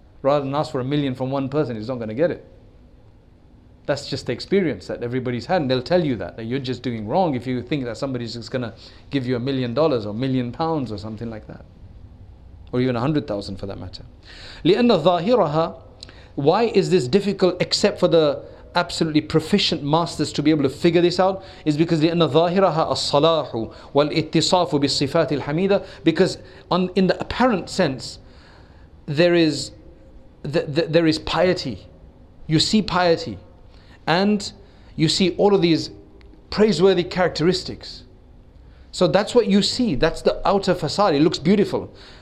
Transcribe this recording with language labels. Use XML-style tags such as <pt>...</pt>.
<en>Rather than ask for 1 million from one person, he's not going to get it. That's just the experience that everybody's had. And they'll tell you that you're just doing wrong if you think that somebody's just going to give you $1 million or £1 million or something like that. Or even 100,000 for that matter.</en> <ar>لِأَنَّ ظَاهِرَهَا.</ar> <en>Why is this difficult except for the absolutely proficient masters to be able to figure this out? Is because</en> <ar>لِأَنَّ ظَاهِرَهَا الصَّلَاحُ وَالْإِتِّصَافُ بِالصِّفَاتِ الْحَمِيدَةِ.</ar> <en>Because in the apparent sense, there is piety. You see piety. And you see all of these praiseworthy characteristics. So that's what you see. That's the outer facade. It looks beautiful.</en>